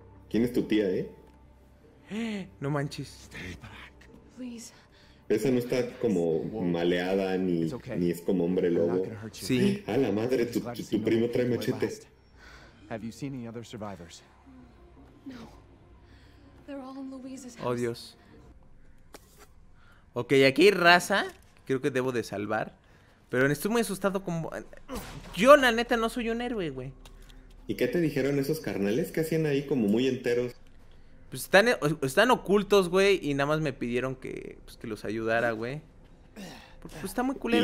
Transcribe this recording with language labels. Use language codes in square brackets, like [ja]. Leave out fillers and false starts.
[es] ¿Quién es tu tía, eh? No manches. Esa no está como maleada, ni es como hombre lobo. Sí. A la madre, tu primo trae machete. ¿Has visto a otros survivors? No. [en] They're all in Louise's house. [es] Oh, Dios. Ok, aquí hay raza. Creo que debo de salvar. Pero estoy muy asustado con... Yo, la neta, no soy un héroe, güey. ¿Y qué te dijeron esos carnales? ¿Qué hacían ahí como muy enteros? Pues están ocultos, güey, y nada más me pidieron que los ayudara, güey. Porque pues está muy culero.